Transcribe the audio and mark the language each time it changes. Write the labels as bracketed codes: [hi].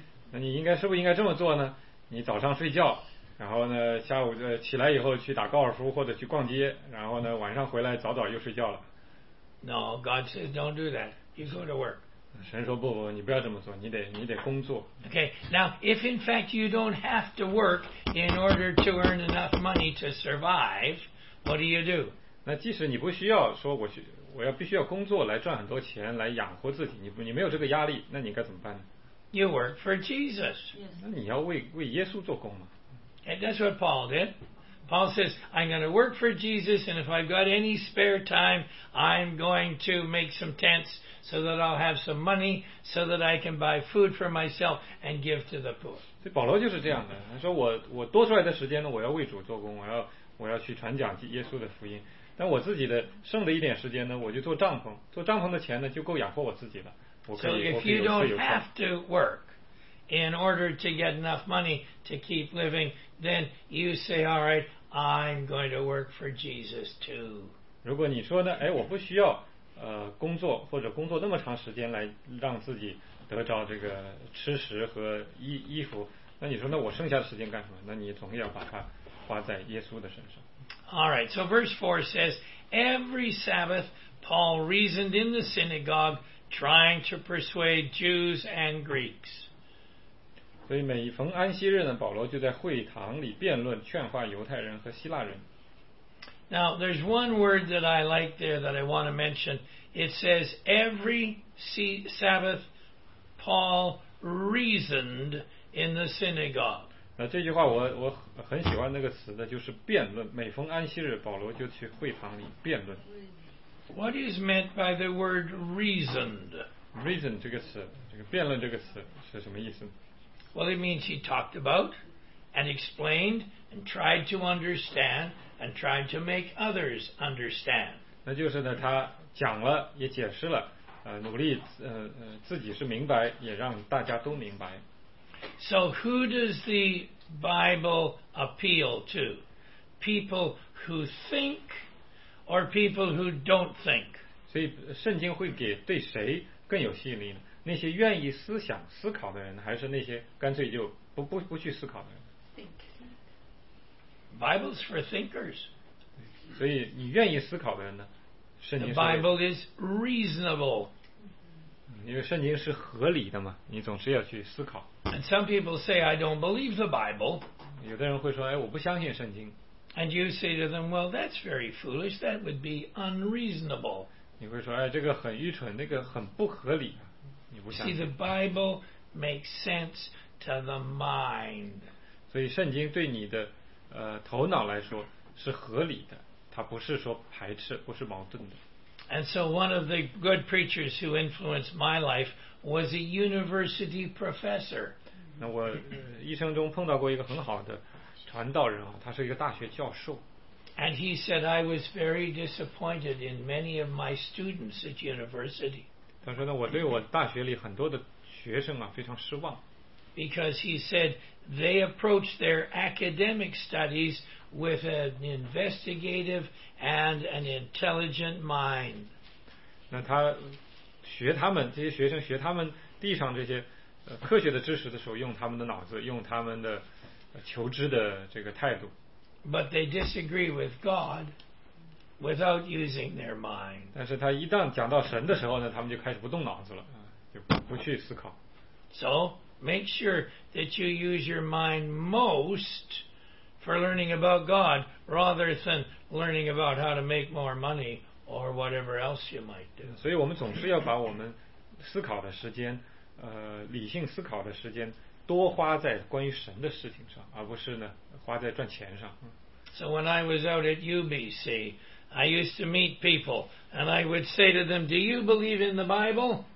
[zh] 那你应该是不是应该这么做呢？你早上睡觉，然后呢，下午起来以后去打高尔夫或者去逛街，然后呢，晚上回来早早又睡觉了。 [en] No, God says don't do that. You go to work. [zh] 神说不，你不要这么做，你得工作。 [en] Okay, now if in fact you don't have to work in order to earn enough money to survive, what do you do? [zh] 那即使你不需要说我必须要工作来赚很多钱来养活自己，你没有这个压力，那你该怎么办呢？ [en] You work for Jesus. [zh] 那你要为耶稣做工吗？ [en] And that's what Paul did. Paul says, I'm going to work for Jesus, and if I've got any spare time, I'm going to make some tents so that I'll have some money so that I can buy food for myself and give to the poor. [zh] 所以保罗就是这样的，他说我多出来的时间呢，我要为主做工，我要去传讲耶稣的福音。但我自己的剩的一点时间呢，我就做帐篷。做帐篷的钱呢，就够养活我自己了。 [en] So if you don't have to work in order to get enough money to keep living, then you say, "All right, I'm going to work for Jesus too." [zh] 如果你说呢，哎，我不需要工作或者工作那么长时间来让自己得着这个吃食和衣服，那你说那我剩下的时间干什么？那你总要把它花在耶稣的身上。 [en] All right, so verse 4 says, every Sabbath, Paul reasoned in the synagogue, trying to persuade Jews and Greeks. [zh] 所以每逢安息日呢，保罗就在会堂里辩论，劝化犹太人和希腊人。 [en] Now, there's one word that I like there that I want to mention. It says, every Sabbath, Paul reasoned in the synagogue. [zh] 这句话我很喜欢那个词的，就是辩论。每逢安息日，保罗就去会堂里辩论。 [en] What is meant by the word reasoned? [zh] Reason 这个词，这个辩论这个词是什么意思？ [en] Well, it means he talked about and explained and tried to understand and tried to make others understand. [zh] 那就是呢，他讲了，也解释了，努力自己是明白，也让大家都明白。 [en] So who does the Bible appeal to? People who think or people who don't think? [zh] 所以圣经会给对谁更有吸引力呢？那些愿意思想思考的人，还是那些干脆就不去思考的人？ [en] Bible's for thinkers. [zh] 所以你愿意思考的人呢？圣经 [en] The Bible is reasonable. [zh] 因为圣经是合理的嘛，你总是要去思考。 [en] And some people say, I don't believe the Bible. [zh] 有的人会说，哎，我不相信圣经。 [en] And you say to them, well, that's very foolish. That would be unreasonable. [zh] 你会说，哎，这个很愚蠢，那个很不合理。你不相信。 [en] See, the Bible makes sense to the mind. [zh] 所以圣经对你的头脑来说是合理的，它不是说排斥，不是矛盾的。 [en] And so one of the good preachers who influenced my life was a university professor. [zh] 那我一生中碰到过一个很好的传道人啊，他是一个大学教授。 [en] And he said I was very disappointed in many of my students at university. [zh] 他说呢，我对我大学里很多的学生啊非常失望。 [en] Because he said they approach their academic studies with an investigative and an intelligent mind. [zh] 那他学他们这些学生学他们地上这些科学的知识的时候，用他们的脑子，用他们的求知的这个态度。 [en] But they disagree with God without using their mind. [zh] 但是他一旦讲到神的时候呢，他们就开始不动脑子了，就不去思考。 [en] So make sure that you use your mind most for learning about God rather than learning about how to make more money. Or whatever else you might do. [zh] 所以我们总是要把我们思考的时间，理性思考的时间，多花在关于神的事情上，而不是呢花在赚钱上。 [en] So when I was out at UBC, I used to meet people, and I would say to them, "Do you believe in the Bible?"